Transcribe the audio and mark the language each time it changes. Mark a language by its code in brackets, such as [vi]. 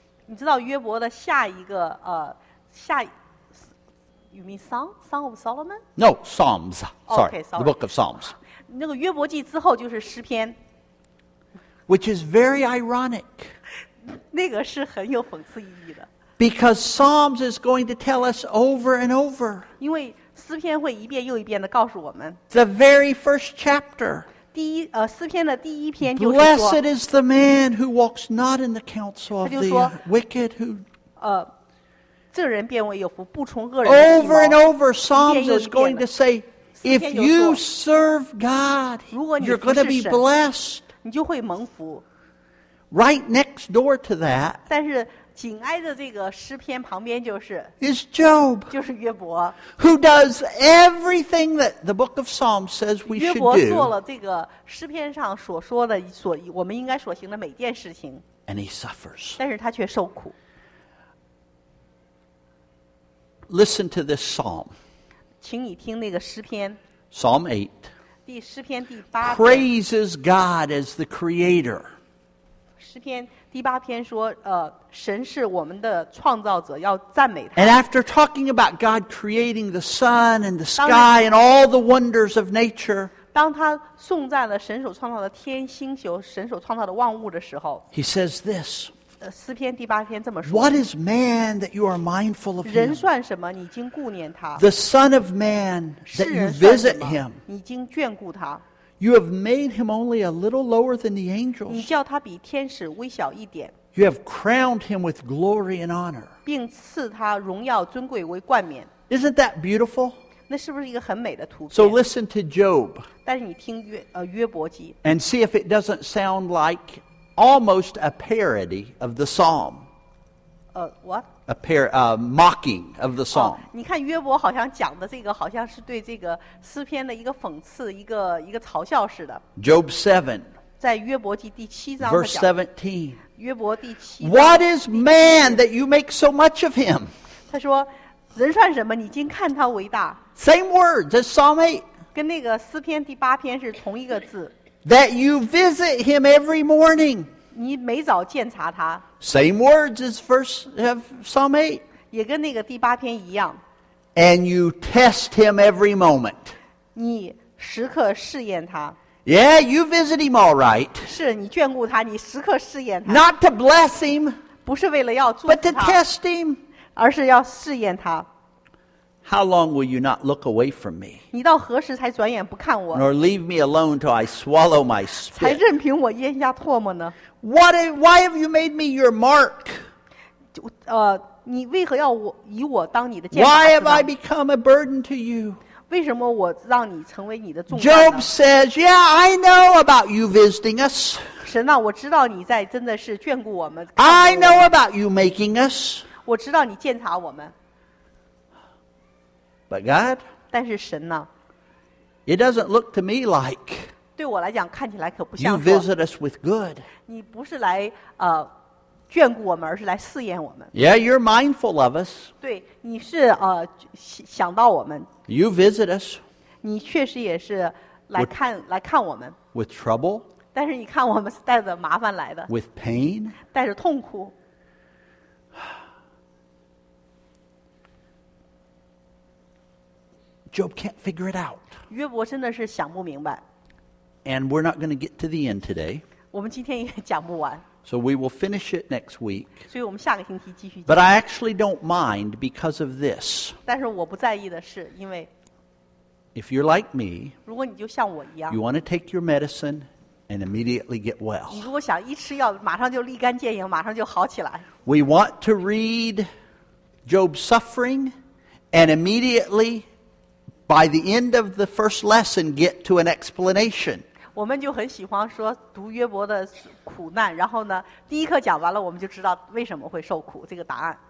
[zh] 你知道约伯的下一个下。 [en] You mean Song of Solomon? No, Psalms. Sorry, okay, sorry. The book of Psalms. [zh] 那个约伯记之后就是诗篇。 [en] Which is very ironic. [zh] 那个是很有讽刺意义的。 [en] Because Psalms is going to tell us over and over. [zh] 因为诗篇会一遍又一遍地告诉我们 [en] The very first chapter [zh] 第一诗篇的第一篇就是说 [en] Blessed is the man who walks not in the counsel of the wicked who [zh] 这人变为有福不从恶人的计谋 [en] Over and over Psalms is going to say If you serve God you're going to be blessed [zh] 你就会蒙福 [en] Right next door to that [zh] 但是紧挨着这个诗篇旁边就是 [en] is Job [zh] 就是约伯 [en] who does everything that the book of Psalms says we should do [zh] 约伯做了这个诗篇上所说的所我们应该所行的每件事情 [en] and he suffers [zh] 但是他却受苦 [en] listen to this psalm [zh] 请你听那个诗篇 [en] Psalm 8 [zh] 第诗篇第八篇 [en] praises God as the creator [zh] 诗篇第八篇说神是我们的创造者要赞美他 [en] And after talking about God creating the sun and the sky and all the wonders of nature [zh] 当他颂赞了神所创造的天星宿神所创造的万物的时候 [en] He says this [zh] 诗篇第八篇这么说 [en] What is man that you are mindful of him [zh] 人算什么你竟顾念他 [en] The son of man that you visit him [zh] 你竟眷顾他 [en] You have made him only a little lower than the angels. [zh] 你叫他比天使微小一点。 [en] You have crowned him with glory and honor. [zh] 并赐他荣耀尊贵为冠冕。 [en] Isn't that beautiful? [zh] 那是不是一个很美的图片? [en] So listen to Job. [zh] 但是你听约伯记。 [en] And see if it doesn't sound like almost a parody of the psalm. What? Mocking of the psalm. [zh] 你看约伯好像讲的这个好像是对这个诗篇的一个讽刺一个嘲笑似的。 [en] Job 7. [zh] 在约伯记第七章。 [en] Verse 17. [zh] 约伯第七。 [en] What is man that you make so much of him? [zh] 他说人算什么你竟看他为大。 [en] Same words as Psalm 8. [zh] 跟那个诗篇第八篇是同一个字。 [en] That you visit him every morning. [zh] 你每早检查他 [en] Same words as Psalm 8. [zh] 也跟那个第八篇一样。 [en] And you test him every moment. [zh] 你时刻试验他。 [en] Yeah, you visit him all right. [zh] 是你眷顾他，你时刻试验他。 [en] Not to bless him. [zh] 不是为了要祝福他。 [en] But to test him. [zh] 而是要试验他。 [en] How long will you not look away from me? [zh] 你到何时才转眼不看我? [en] Nor leave me alone till I swallow my spit. [zh] 才任凭我咽下唾沫呢? [en] Why have you made me your mark? [zh] 你为何要我以我当你的箭靶? [en] Why have I become a burden to you? [zh] 为什么我让你成为你的重担呢? [en] Job says, Yeah, I know about you visiting us. [zh] 神啊，我知道你在真的是眷顾我们。 [en] I know about you making us. [zh] 我知道你鉴察我们。 [en] But God, [zh] 但是神呢? [en] It doesn't look to me like [zh] 对我来讲看起来可不像 [en] You visit us with good. [zh] 你不是来眷顾我们而是来试验我们 [en] Yeah, you're mindful of us. [zh] 对你是想到我们 [en] You visit us. [zh] 你确实也是来看我们 [en] With trouble. [zh] 但是你看我们是带着麻烦来的 [en] With pain. [zh] 带着痛苦 [en] Job can't figure it out. [zh] 约伯真的是想不明白。 [en] And we're not going to get to the end today. [zh] 我们今天也讲不完。 [en] So we will finish it next week. [zh] 所以我们下个星期继续。 [en] But I actually don't mind because of this. [zh] 但是我不在意的是因为。 [en] If you're like me. [zh] 如果你就像我一样。 [en] You want to take your medicine and immediately get well. [zh] 你如果想一吃药马上就立竿见影马上就好起来。 [en] We want to read Job's suffering and immediately By the end of the first lesson, get to an explanation. [zh] 我们就很喜欢说读约伯的苦难，然后呢，第一课讲完了，我们就知道为什么会受苦这个答案。